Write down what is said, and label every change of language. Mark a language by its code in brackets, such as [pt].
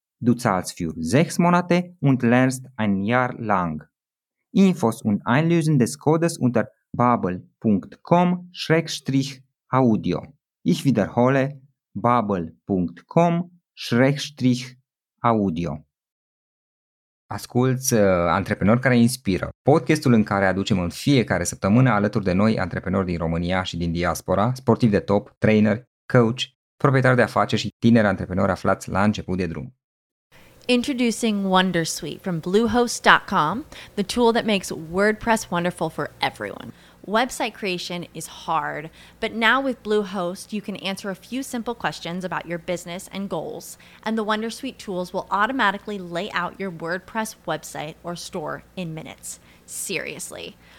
[de] du zahlst für 6 Monate und lernst ein Jahr lang. Infos und Einlösen des Codes unter babbel.com/audio. Ich wiederhole, babbel.com/audio. [ro] Asculți Antreprenori care inspiră, podcastul în care aducem în fiecare săptămână alături de noi antreprenori din România și din diaspora, sportivi de top, trainer, coach, proprietari de afaceri și tineri antreprenori aflați la început de drum. [en] Introducing WonderSuite from Bluehost.com, the tool that makes WordPress wonderful for everyone. Website creation is hard, but now with Bluehost, you can answer a few simple questions about your business and goals, and the WonderSuite tools will automatically lay out your WordPress website or store in minutes. Seriously.